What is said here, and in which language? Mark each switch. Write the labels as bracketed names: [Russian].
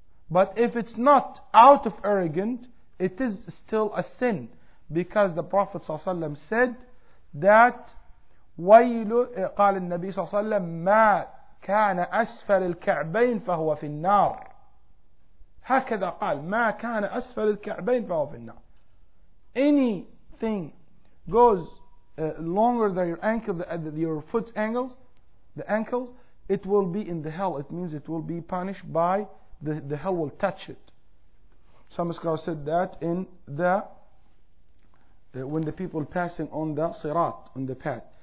[English] But if it's not out of arrogant, it is still a sin. Because the Prophet ﷺ said that, [Arabic] وَيْلُ قَالَ النَّبِي صَلَّى اللَّهُ عَلَيْهِ وَسَلَّمَ مَا كَانَ أَسْفَلِ الْكَعْبَيْنِ فَهُوَ فِي النَّارِ. هكذا قال, مَا كَانَ أَسْفَلِ الْكَعْبَيْنِ فَهُوَ فِي النَّارِ. [English] Anything goes longer than your ankle, your foot's angles, the ankles, it will be in the hell. It means it will be punished by the hell will touch it. Some scholars said that in the when the people passing on the sirat, on the path.